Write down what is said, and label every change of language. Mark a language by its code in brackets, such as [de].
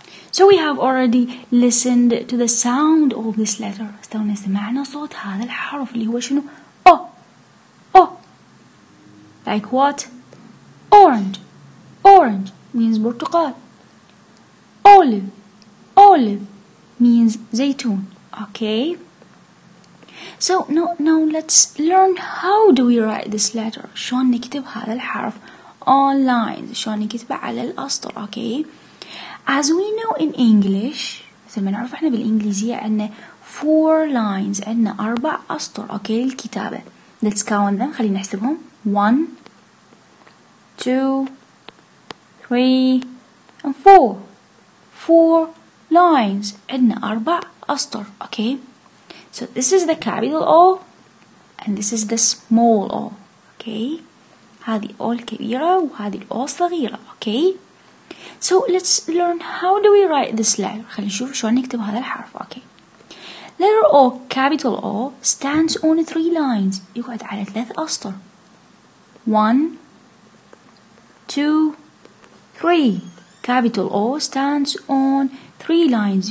[en] So we have already listened to the sound of this letter. [ar] استوينا سمعنا صوت هذا الحرف اللي هو شنو؟ O. [en] O. Like what? Orange. Orange means برتقال. Olive. Olive means زيتون. Okay. So now let's learn how do we write this letter. [ar] شلون نكتب هذا الحرف [en] on lines. [ar] شلون نكتبه على الأسطر. Okay. [en] As we know in English, [ar] مثل ما نعرف احنا بالانجليزية عندنا [en] 4 lines, [ar] عندنا 4 أسطر, okay, الكتابة. [en] Let's count them, [ar] خلينا نحسبهم. [en] 1, 2, 3, and 4. 4 lines, [ar] عندنا 4 أسطر, [en] okay. So this is the capital O, and this is the small O, okay. [ar] هذه O الكبيرة وهذه O صغيرة, okay. [en] So let's learn how do we write this letter. [ar] خلينا نشوف شلون نكتب هذا الحرف. [en] Okay. Letter O, capital O, stands on 3 lines. [ar] يقعد على 3 أسطر. [en] 1, 2, 3. Capital O stands on 3 lines.